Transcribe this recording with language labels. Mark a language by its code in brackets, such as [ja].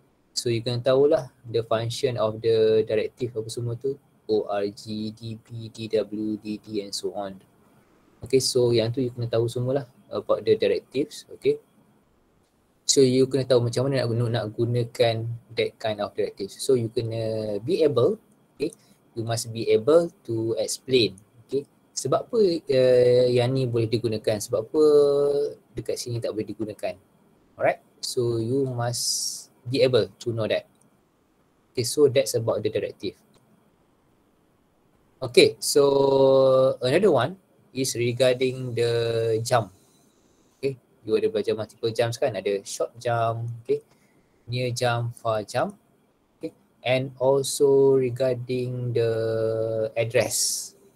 [en] So you can [ms] tahulah [en] the function of the directive [ms] apa semua tu, [en] ORG, DB, DW, DD and so on. [ms] Okay, so yang tu you kena tahu semualah [en] about the directives, [ms] okay. So you kena tahu macam mana nak gunakan [en] that kind of directives. So you [ms] kena [en] be able, okay, you must be able to explain, okay. [ms] Sebab apa yang ni boleh digunakan, sebab apa dekat sini tak boleh digunakan. [en] Alright, so you must be able to know that. Okay, so that's about the directive. Okay, so another one is regarding the jump. Okay, you [ms] ada belajar [en] multiple jumps [ms] kan? Ada [en] short jump, okay, near jump, far jump, okay, and also regarding the address.